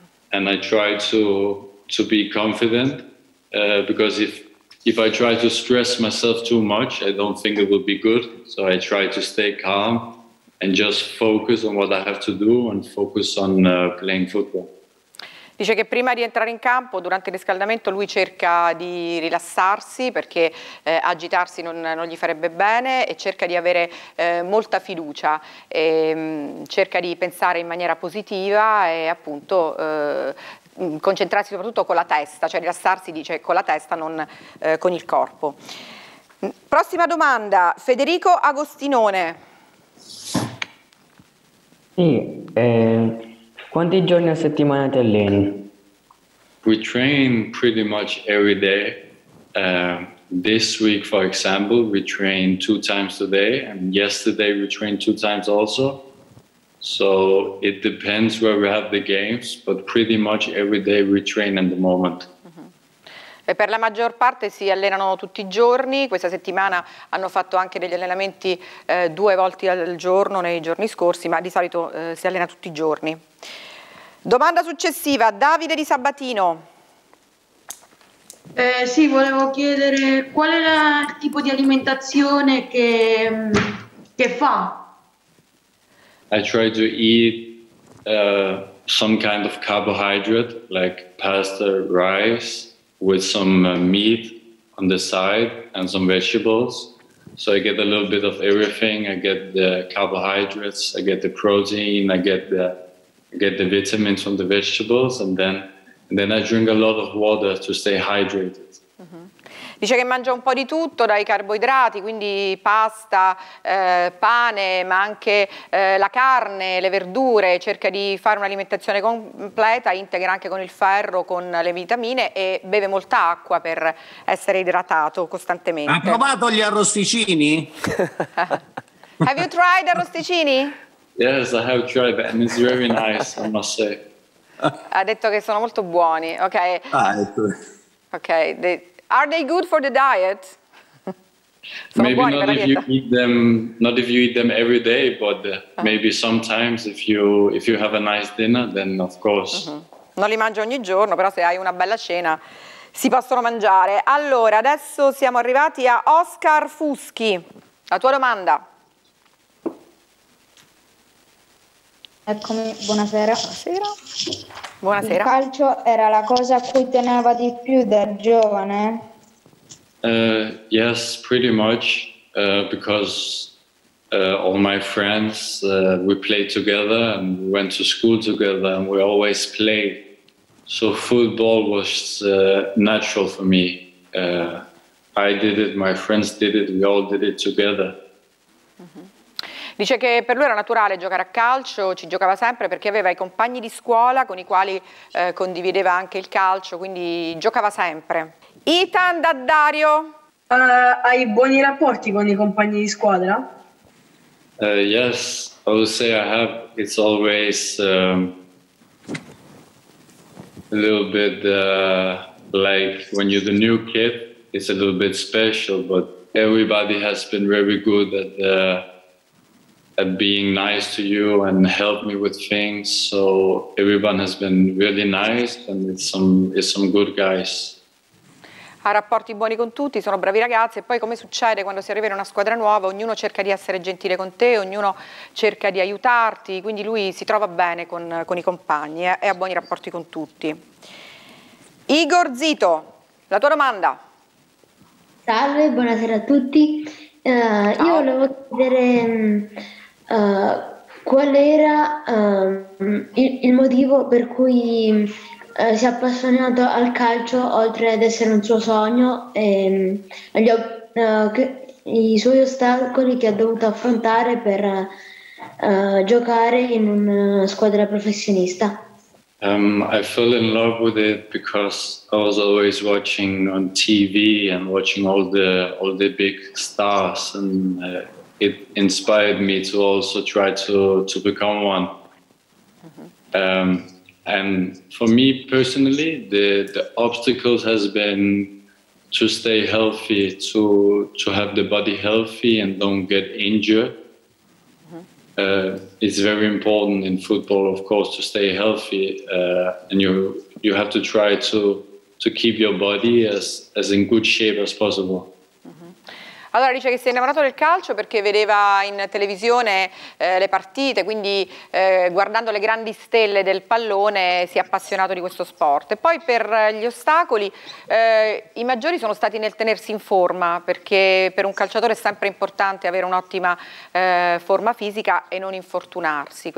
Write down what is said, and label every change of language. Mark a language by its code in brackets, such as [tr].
[en] And I try to be confident, because if I try to stress myself too much, I don't think it will be good. So I try to stay calm and just focus on what I have to do and focus on playing football. [it] Dice che prima di entrare in campo, durante il riscaldamento, lui cerca di rilassarsi perché agitarsi non gli farebbe bene e cerca di avere molta fiducia, e cerca di pensare in maniera positiva e appunto concentrarsi soprattutto con la testa, cioè rilassarsi, dice, con la testa, non con il corpo. Prossima domanda, Federico Agostinone. Sì, quanti giorni a settimana ti alleni? [en] We train pretty much every day. This week, for example, we train 2 times a day, and yesterday we trained 2 times also. So it depends where we have the games, but pretty much every day we train at the moment. [it] E per la maggior parte si allenano tutti i giorni, questa settimana hanno fatto anche degli allenamenti 2 volte al giorno nei giorni scorsi, ma di solito si allena tutti i giorni. Domanda successiva, Davide Di Sabatino. Sì, volevo chiedere qual è il tipo di alimentazione che fa? [en] I try to eat some kind of carbohydrate, like pasta, rice, with some meat on the side and some vegetables. So I get a little bit of everything. I get the carbohydrates, I get the protein, I get the vitamins from the vegetables, and then I drink a lot of water to stay hydrated. Mm-hmm. [it] Dice che mangia un po' di tutto, dai carboidrati, quindi pasta, pane, ma anche la carne, le verdure, cerca di fare un'alimentazione completa, integra anche con il ferro, con le vitamine e beve molta acqua per essere idratato costantemente. Ha provato gli arrosticini? [en] Have you tried arrosticini? Yes, I have tried them. It's very nice, I must say. [it] Ha detto che sono molto buoni, ok. [en] Ok, are they good for the diet? [it] Sono [en] maybe [it] buoni, [en] not if [it] dieta. [en] You eat them, not if you eat them every day, but maybe sometimes if you have a nice dinner, then of course. Mm-hmm. [it] Non li mangio ogni giorno, però se hai una bella cena si possono mangiare. Allora, adesso siamo arrivati a Oscar Fuschi. La tua domanda. Eccomi, buonasera. Buonasera. Buonasera. Il calcio era la cosa a cui teneva di più da giovane? [en] Yes, pretty much, because all my friends, we played together and we went to school together and we always played. So football was natural for me. I did it, my friends did it, we all did it together. [it] Dice che per lui era naturale giocare a calcio, ci giocava sempre perché aveva i compagni di scuola con i quali condivideva anche il calcio, quindi giocava sempre. Ethan Daddario. Hai buoni rapporti con i compagni di squadra? [en] Yes, I would say I have. It's always a little bit like when you're the new kid, it's a little bit special, but everybody has been very good at being nice to you and help me with things, so everyone has been really nice and it's some good guys. [it] Ha rapporti buoni con tutti, sono bravi ragazzi, e poi come succede quando si arriva in una squadra nuova, ognuno cerca di essere gentile con te, ognuno cerca di aiutarti, quindi lui si trova bene con i compagni e ha buoni rapporti con tutti. Igor Zito, la tua domanda. Salve, buonasera a tutti. Io volevo chiedere qual era il motivo per cui si è appassionato al calcio, oltre ad essere un suo sogno, e gli, che, i suoi ostacoli che ha dovuto affrontare per giocare in una squadra professionista. [en] I fell in love with it because I was always watching on TV and watching all the big stars, and it inspired me to also try to become one. Mm-hmm. And for me personally, the obstacles has been to stay healthy, to have the body healthy and don't get injured. It's very important in football, of course, to stay healthy, and you have to try to keep your body as in good shape as possible. [it] Allora dice che si è innamorato del calcio perché vedeva in televisione le partite, quindi guardando le grandi stelle del pallone si è appassionato di questo sport. E poi per gli ostacoli, i maggiori sono stati nel tenersi in forma, perché per un calciatore è sempre importante avere un'ottima forma fisica e non infortunarsi.